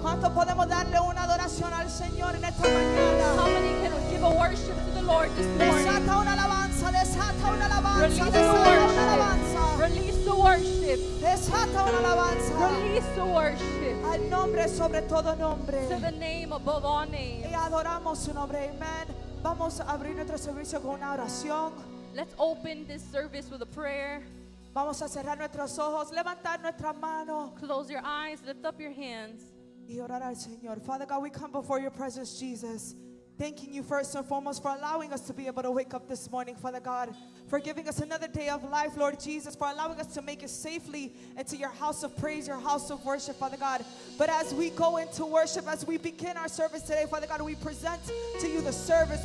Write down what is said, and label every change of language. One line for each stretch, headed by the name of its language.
Spanish: ¿Cuánto podemos darle una adoración al Señor en esta mañana?
English: How many can give a worship to the Lord this morning?
Spanish: Desata una alabanza, desata una alabanza,
English: release
Spanish: desata
English: the worship.
Spanish: Una alabanza.
English: Release the worship.
Spanish: Desata una alabanza.
English: Release the worship.
Spanish: Al nombre sobre todo nombre.
English: To the name above all names.
Spanish: Y adoramos su nombre. Amen. Vamos a abrir nuestro servicio con una oración.
English: Let's open this service with a prayer.
Spanish: Vamos a cerrar nuestros ojos, levantar nuestras manos.
English: Close your eyes, lift up your hands.
Spanish: Y orar al Señor.
English: Father God, we come before your presence, Jesus, thanking you first and foremost for allowing us to be able to wake up this morning, Father God, for giving us another day of life, Lord Jesus, for allowing us to make it safely into your house of praise, your house of worship, Father God. But as we go into worship, as we begin our service today, Father God, we present to you the service.